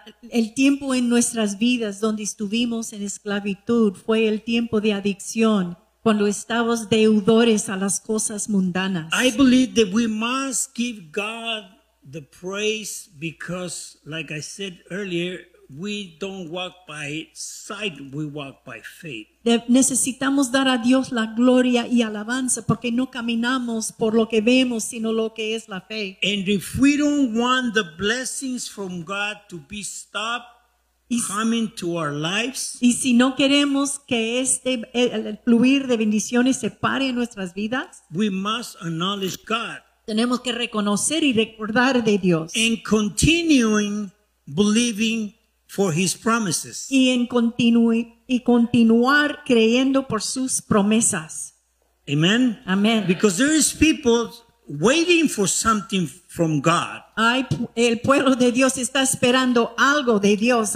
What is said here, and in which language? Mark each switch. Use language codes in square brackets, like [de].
[es] El tiempo en nuestras vidas donde estuvimos en esclavitud fue el tiempo de adicción cuando estábamos deudores a las cosas mundanas. [en] I believe that we must give God the praise because, like I said earlier, we don't walk by sight, we walk by faith. [es] Necesitamos dar a Dios la gloria y alabanza porque no caminamos por lo que vemos, sino lo que es la fe. [en] And if we don't want the blessings from God to be stopped coming to our lives, [es] y si no queremos que el fluir de bendiciones se pare en nuestras vidas, [en] we must acknowledge God. [es] Tenemos que reconocer y recordar de Dios. [en] And continuing believing for his promises. [es] Y en continuar creyendo por sus promesas. Amen. Amen. [en] Because there is people waiting for something from God. [es] El pueblo de Dios está esperando algo de Dios.